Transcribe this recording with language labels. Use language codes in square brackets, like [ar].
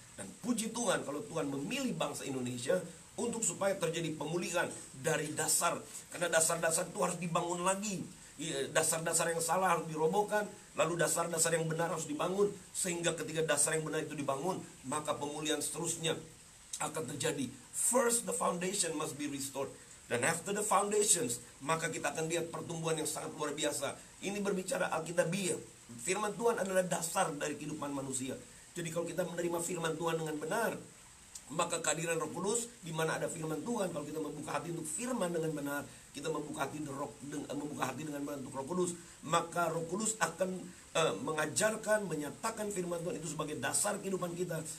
[id] Dan puji Tuhan, kalau Tuhan memilih bangsa Indonesia untuk supaya terjadi pemulihan dari dasar. Karena dasar-dasar itu harus dibangun lagi. Dasar-dasar yang salah harus dirobohkan. Lalu dasar-dasar yang benar harus dibangun. Sehingga ketika dasar yang benar itu dibangun, maka pemulihan seterusnya akan terjadi. [en] First the foundation must be restored. Then after the foundations, [id] maka kita akan lihat pertumbuhan yang sangat luar biasa. Ini berbicara Alkitabiah. Firman Tuhan adalah dasar dari kehidupan manusia. Jadi kalau kita menerima firman Tuhan dengan benar, maka kehadiran Roh Kudus, di mana ada firman Tuhan, kalau kita membuka hati untuk firman dengan benar, kita membuka hati dengan benar untuk Roh Kudus, maka Roh Kudus akan mengajarkan, menyatakan firman Tuhan itu sebagai dasar kehidupan kita.